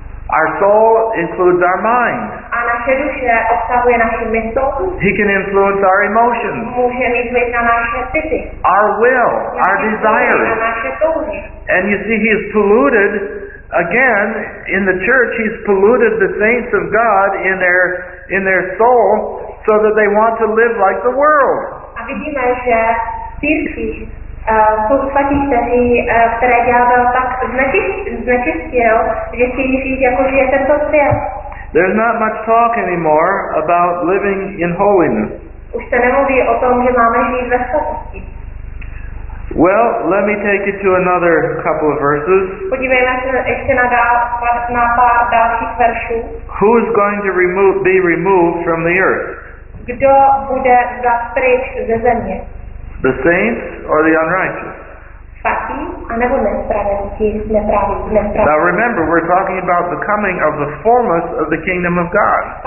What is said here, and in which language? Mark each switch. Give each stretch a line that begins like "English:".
English: Our soul includes our mind. He can influence our emotions, our will, our desires. And you see, he's polluted, again, in the church, he's polluted the saints of God in their soul so that they want to live like the world.
Czech: Jsou svatí, které ďábel tak znečistil, že chtějí žít jako žije tento svět.
English: There's not much talk anymore about living in holiness.
Czech: Už se nemluví o tom, že máme žít ve svatosti.
English: Well, let me take you to another couple of verses.
Czech: Podívejme se ještě na pár dalších veršů.
English: Who's going to be removed from the earth?
Czech: Kdo bude vzat pryč ze země?
English: The saints or the unrighteous? Now remember, we're talking about the coming of the fullness of the kingdom of God.